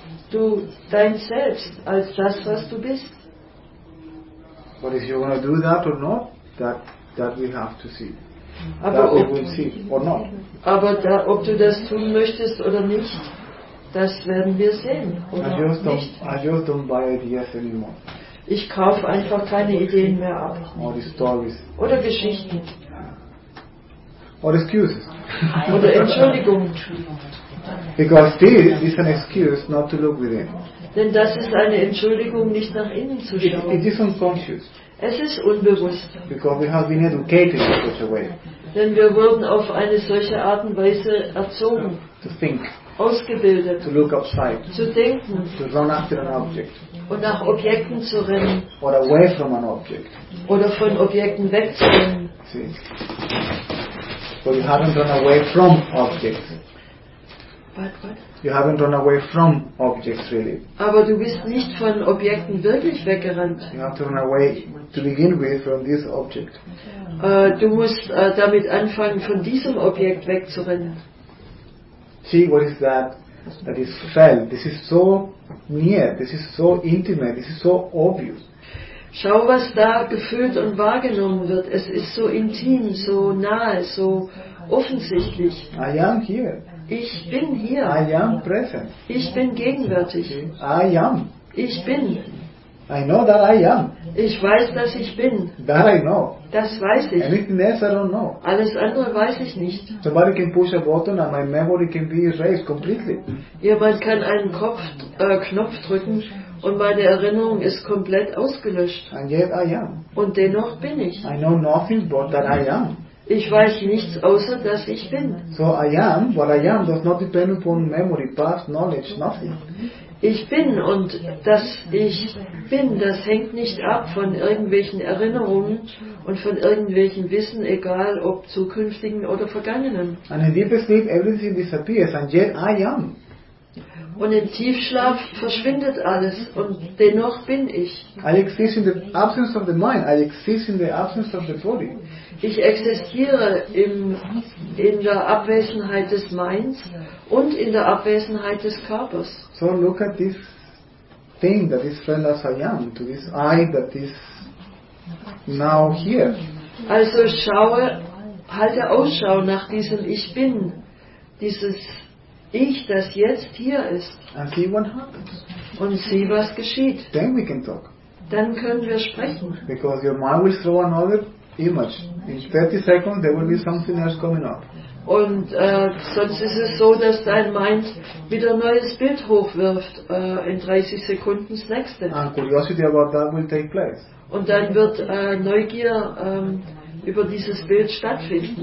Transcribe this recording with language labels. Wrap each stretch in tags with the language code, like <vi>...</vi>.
<de>Du, dein Selbst, als das, was du bist.</de> <en>But if you want to do that or not, that we have to see.</en> <de>Aber</de> <en>that we will see or not.</en> <de>Aber da, ob du das tun möchtest oder nicht, das werden wir sehen. Oder</de> <en>I just don't buy ideas anymore.</en> <de>Ich kaufe einfach keine Ideen mehr ab.</de> <en>Or the stories.</en> <de>Oder Geschichten.</de> <en>Or excuses.</en> <de>Oder Entschuldigung.</de> <en>Because this is an excuse not to look within.</en> <de>Denn das ist eine Entschuldigung, nicht nach innen zu schauen.</de> <en>It is unconscious.</en> <de>Es ist unbewusst.</de> <en>Because we have been educated in such a way.</en> <de>Denn wir wurden auf eine solche Art und Weise erzogen.</de> <en>To think.</en> <de>ausgebildet,</de> <en>to look outside,</en> <de>zu denken,</de> <en>to run after an object,</en> <de>und nach Objekten zu rennen,</de> <en>or away from an object,</en> <de>oder von Objekten wegzurennen.</de> <en>See? But you haven't run away from objects. What? You haven't run away from objects, really.</en> <de>Aber du bist nicht von Objekten wirklich weggerannt.</de> <en>You have to run away to begin with from this object.</en> <de>Du musst damit anfangen, von diesem Objekt wegzurennen.</de> <en>See what is that? That is felt. This is so near. This is so intimate. This is so obvious.</en> <de>Schau, was da gefühlt und wahrgenommen wird. Es ist so intim, so nahe, so offensichtlich.</de> <en>I am here.</en> <de>Ich bin hier.</de> <en>I am present.</en> <de>Ich bin gegenwärtig.</de> <en>I am.</en> <de>Ich bin.</de> <en>I know that I am.</en> <de>Ich weiß, dass ich bin.</de> <en>That I know.</en> <de>Das weiß ich.</de> <en>Anything else I don't know.</en> <de>Alles andere weiß ich nicht.</de> <en>Somebody can push a button and my memory can be erased completely.</en> <de>Jemand kann einen Knopf drücken und meine Erinnerung ist komplett ausgelöscht.</de> <en>And yet I am.</en> <de>Und dennoch bin ich.</de> <en>I know nothing but that I am.</en> <de>Ich weiß nichts außer, dass ich bin.</de> <en>So I am, what I am does not depend upon memory, past, knowledge, nothing.</en> <de>Ich bin und das ich bin, das hängt nicht ab von irgendwelchen Erinnerungen und von irgendwelchen Wissen, egal ob zukünftigen oder vergangenen.</de> <en>And in deep sleep everything disappears and yet I am.</en> <de>Und im Tiefschlaf verschwindet alles und dennoch bin ich.</de> <en>I exist in the absence of the mind, I exist in the absence of the body.</en> <de>Ich existiere in der Abwesenheit des Minds und in der Abwesenheit des Körpers.</de> <en>So look at this thing that is felt as I am, to this I that is now here.</en> <de>Also schaue, halte Ausschau nach diesem Ich Bin, dieses Ich, das jetzt hier ist.</de> <en>And see what happens.</en> <de>Und sieh, was geschieht.</de> <en>Then we can talk.</en> <de>Dann können wir sprechen.</de> <en>Because your mind will throw another image. In 30 seconds there will be something else coming up.</en> <de>Und sonst ist es so, dass dein Mind wieder ein neues Bild hochwirft, in 30 Sekunden das nächste.</de> <en>And curiosity about that will take place.</en> <de>Und dann wird Neugier über dieses Bild stattfinden.</de>